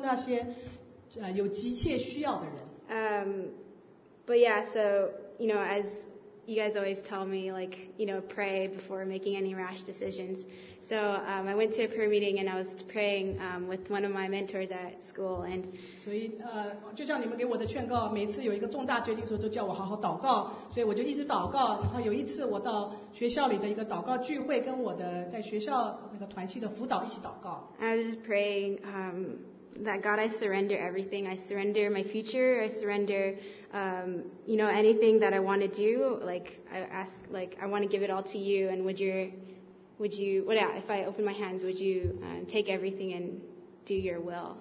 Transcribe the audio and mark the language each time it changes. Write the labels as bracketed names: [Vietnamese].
[Chinese] 我最大的梦想就是能够在世界到世界上不同的角落去帮助那些有急切需要的人。 [English] But yeah, so, you know, as you guys always tell me, like, you know, pray before making any rash decisions. So I went to a prayer meeting and I was praying with one of my mentors at school. And [Chinese] so, 就像你们给我的劝告，每次有一个重大决定的时候，都叫我好好祷告。所以我就一直祷告。然后有一次，我到学校里的一个祷告聚会，跟我的在学校那个团契的辅导一起祷告。 [English] I was just praying that God, I surrender everything. I surrender my future. I surrender, you know, anything that I want to do. Like, I ask, like, I want to give it all to you. And if I open my hands, would you take everything and do your will?